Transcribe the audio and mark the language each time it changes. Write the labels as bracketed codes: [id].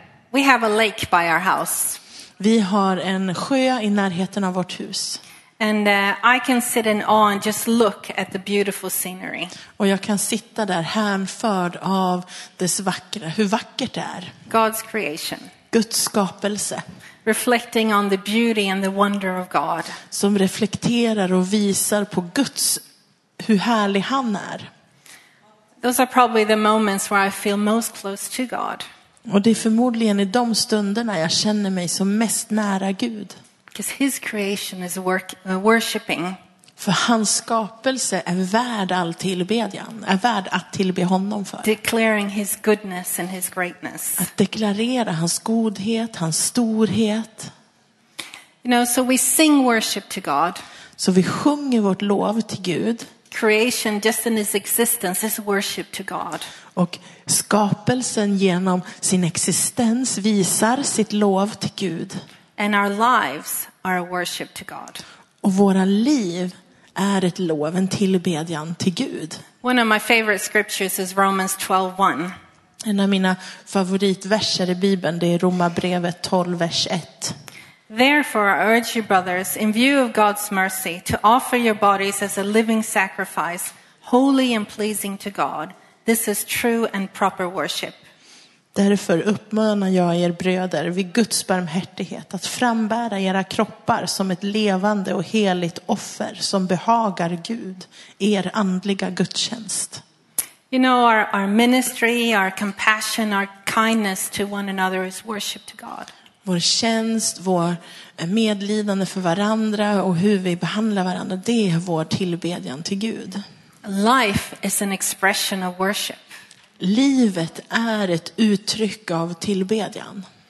[en] We have a lake by our house. [sv] Vi har en sjö i närheten av vårt hus. [en] And I can sit in awe and just look at the beautiful scenery. [sv] Och jag kan sitta där hänförd av dess vackra, hur vackert det är. [en] God's creation. [sv] Guds skapelse. [en] Reflecting on the beauty and the wonder of God. [sv] Som reflekterar och visar på Guds, hur härlig han är. [en] Those are probably the moments where I feel most close to God. [sv] Och det är förmodligen i de stunderna jag känner mig som mest nära Gud. [en] Because his creation is worshiping. [sv] För hans skapelse är värd all tillbedjan, är värd att tillbe honom för. [en] Declaring his goodness and his greatness. [sv] Att deklarera hans godhet, hans storhet. [en] You know, so we sing worship to God. [sv] Så vi sjunger vårt lov till Gud. [en] Creation just in its existence is worship to God. [sv] Och skapelsen genom sin existens visar sitt lov till Gud. [en] And our lives are a worship to God. [sv] Och våra liv är ett lov, en tillbedjan till Gud. [en] One of my favorite scriptures is Romans 12:1. [sv] En av mina favoritverser i Bibeln, det är Romarbrevet 12, vers 1. [en] Therefore, I urge you, brothers, in view of God's mercy, to offer your bodies as a living sacrifice, holy and pleasing to God. This is true and proper worship. [sv] Därför uppmanar jag er bröder vid Guds barmhärtighet att frambära era kroppar som ett levande och heligt offer som behagar Gud, er andliga gudstjänst. [en] You know, our ministry, our compassion, our kindness to one another is worship to God. [sv] Vår tjänst, vår medlidande för varandra och hur vi behandlar varandra, det är vår tillbedjan till Gud. [en] Life is an expression of worship. [sv] Livet är ett uttryck av tillbedjan.